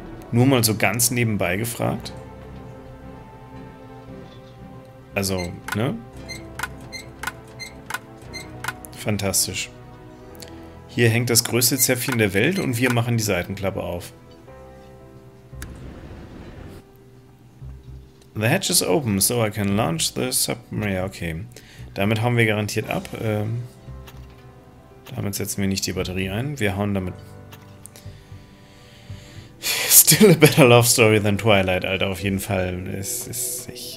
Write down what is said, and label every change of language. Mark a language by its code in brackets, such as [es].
[de] Nur mal so ganz nebenbei gefragt. Also, ne? Fantastisch. Hier hängt das größte Zäpfchen der Welt und wir machen die Seitenklappe auf. [en] The hatch is open, so I can launch the submarine. [de] Ja, okay. Damit hauen wir garantiert ab. Damit setzen wir nicht die Batterie ein. Wir hauen damit. [en] Still a better love story than Twilight, Alter, [de] auf jeden Fall. Es ist.